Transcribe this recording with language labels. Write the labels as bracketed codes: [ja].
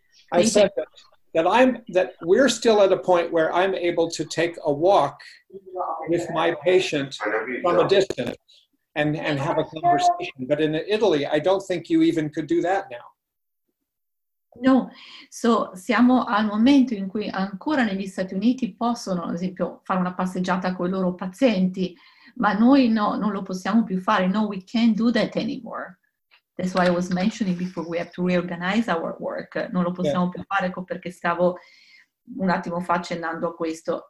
[en] That we're still at a point where I'm able to take a walk with my patient from a distance and have a conversation. But in Italy, I don't think you even could do that now. No. [it] So siamo al momento in cui ancora negli Stati Uniti possono, ad esempio, fare una passeggiata con i loro pazienti, ma noi no, non lo possiamo più fare. [en] No, we can't do that anymore. That's why I was mentioning before we have to reorganize our work. [it] Non lo possiamo più fare, ecco perché stavo un attimo fa accennando a questo.